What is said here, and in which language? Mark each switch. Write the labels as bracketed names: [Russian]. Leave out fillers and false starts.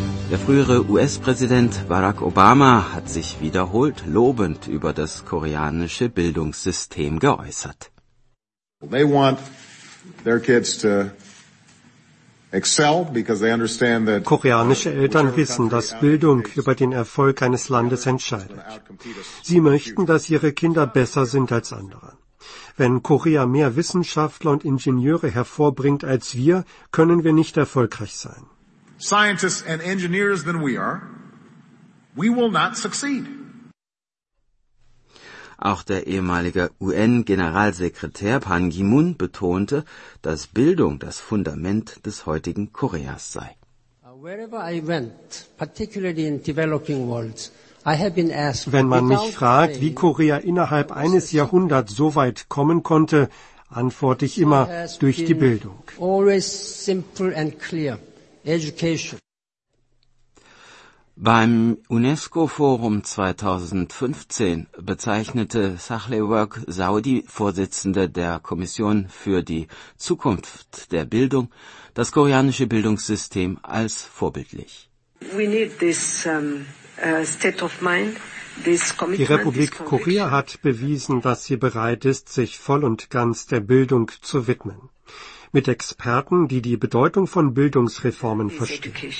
[German] Der frühere US-Präsident Barack Obama hat sich wiederholt lobend über das koreanische Bildungssystem geäußert. [English] They want their kids to excel because they understand that [German] koreanische Eltern wissen, dass Bildung über den Erfolg eines Landes entscheidet. Sie möchten, dass ihre Kinder besser sind als andere. Wenn Korea mehr Wissenschaftler und Ingenieure hervorbringt als wir, können wir nicht erfolgreich sein. [English] Scientists and engineers than we are, we will not succeed. [German] Auch der ehemalige UN-Generalsekretär Ban Ki-moon betonte, dass Bildung das Fundament des heutigen Koreas sei. [English] Wherever I went, particularly in developing worlds, I have been asked, [German] wenn man mich fragt, wie Korea innerhalb eines Jahrhunderts so weit kommen konnte, antworte ich immer, durch die Bildung. [English] Always simple and clear. Education. [German] Beim UNESCO-Forum 2015 bezeichnete Sahlewerk Saudi, Vorsitzende der Kommission für die Zukunft der Bildung, das koreanische Bildungssystem als vorbildlich. [English] We need this, state of mind, this commitment, [German] die Republik Korea hat bewiesen, dass sie bereit ist, sich voll und ganz der Bildung zu widmen. Mit Experten, die die Bedeutung von Bildungsreformen verstehen.